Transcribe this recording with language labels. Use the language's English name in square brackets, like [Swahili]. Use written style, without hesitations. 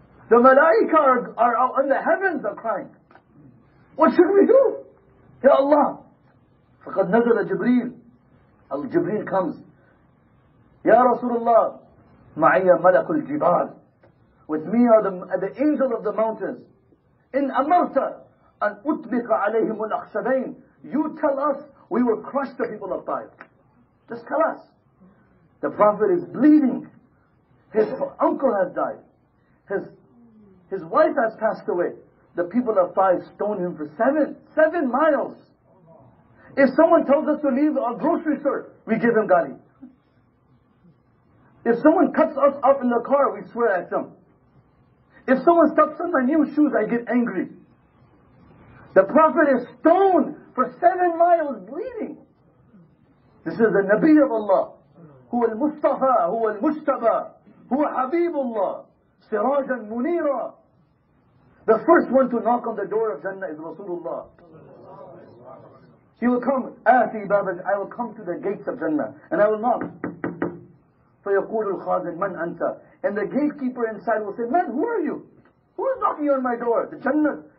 [English] The malaika are out in the heavens are crying. What should we do? Ya Allah. [Arabic] فَقَدْ نَزَلَ جِبْرِيلِ. [English] Al-Jibreel comes. Ya Rasulullah. [Arabic] مَعِيَ مَلَكُ الْجِبَالِ. [English] With me are the angel of the mountains. [Arabic] إِنْ أَمَرْتَ أَنْ أُطْبِقَ عَلَيْهِمُ الْأَخْشَبَيْنِ. [English] You tell us, we will crush the people of Taif. Just tell us. The Prophet is bleeding. His uncle has died. His wife has passed away. The people of Taif stoned him for seven miles. If someone tells us to leave a grocery store, we give him gali. If someone cuts us up in the car, we swear at him. If someone steps on my new shoes, I get angry. The Prophet is stoned for 7 miles bleeding. This is the Nabi of Allah. [Arabic] هو المصطفى هو المجتبى هو حبيب الله سراجا منيرا. [English] The first one to knock on the door of Jannah is Rasulullah. He will come, [Arabic] آتي باب, [English] I will come to the gates of Jannah and I will knock. [Arabic] فَيَقُولُ الْخَازِنُ مَنْ أَنْتَ. [English] And the gatekeeper inside will say, man, who are you? Who is knocking on my door? The Jannah.